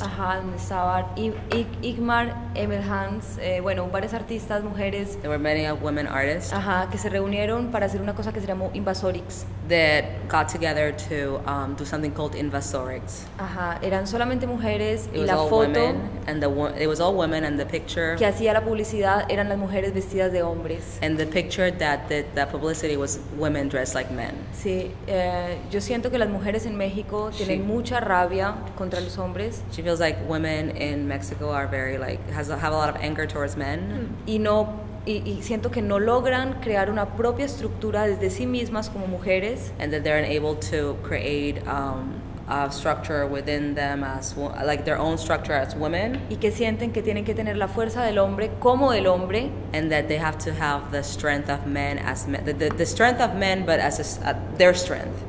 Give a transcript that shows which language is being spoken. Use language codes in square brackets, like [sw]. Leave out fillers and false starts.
[es] Ajá, donde estaba Igmar Emelhans, bueno, varias artistas mujeres. [en] There were many of women artists. [es] Ajá, que se reunieron para hacer una cosa que se llamó Invasorix. [en] That got together to do something called Invasorix. [es] Ajá, eran solamente mujeres y la foto. [en] Women, and it was all women and the picture. [es] Que hacía la publicidad eran las mujeres vestidas de hombres. [en] And the picture that did that publicity was women dressed like men. [es] Sí, yo siento que las mujeres en México tienen mucha rabia contra los hombres. [en] She feels like women in Mexico are very like have a lot of anger towards men. [es] Y siento que no logran crear una propia estructura desde sí mismas como mujeres. [en] And that they're unable to create a structure within them as like their own structure as women. [es] Y que sienten que tienen que tener la fuerza del hombre como el hombre. [en] And that they have to have the strength of men as men, the strength of men, but as a their strength.